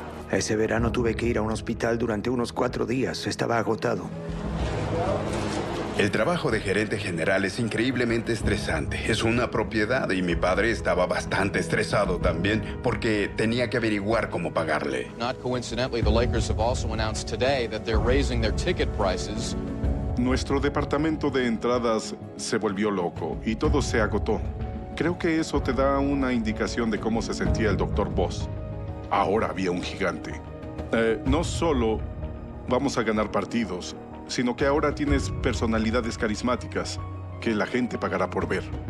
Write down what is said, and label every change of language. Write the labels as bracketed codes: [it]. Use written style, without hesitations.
[es] Ese verano tuve que ir a un hospital durante unos 4 días. Estaba agotado. El trabajo de gerente general es increíblemente estresante. Es una propiedad y mi padre estaba bastante estresado también porque tenía que averiguar cómo pagarle. [en] Not coincidentally, the Lakers have also announced today that they're raising their ticket prices. [es] Nuestro departamento de entradas se volvió loco y todo se agotó. Creo que eso te da una indicación de cómo se sentía el Dr. Boss. Ahora había un gigante. No solo vamos a ganar partidos, sino que ahora tienes personalidades carismáticas que la gente pagará por ver.